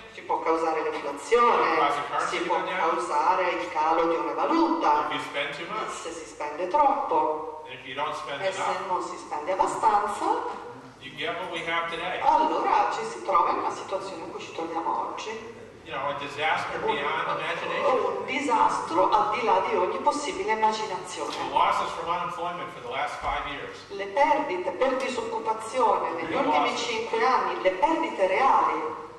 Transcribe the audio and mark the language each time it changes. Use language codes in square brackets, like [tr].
[it] si può causare l'inflazione, si può causare il calo di una valuta, se si spende troppo, [en] and if you don't spend [it] e [en] enough, [it] se non si spende abbastanza, [en] you get what we have today. [it] Allora ci si trova in una situazione in cui ci troviamo oggi. [en] You know, a disaster beyond imagination. [it] Un disastro al di là di ogni possibile immaginazione. [en] The losses from unemployment for the last 5 years. [it] Le perdite per disoccupazione negli ultimi 5 anni, le perdite reali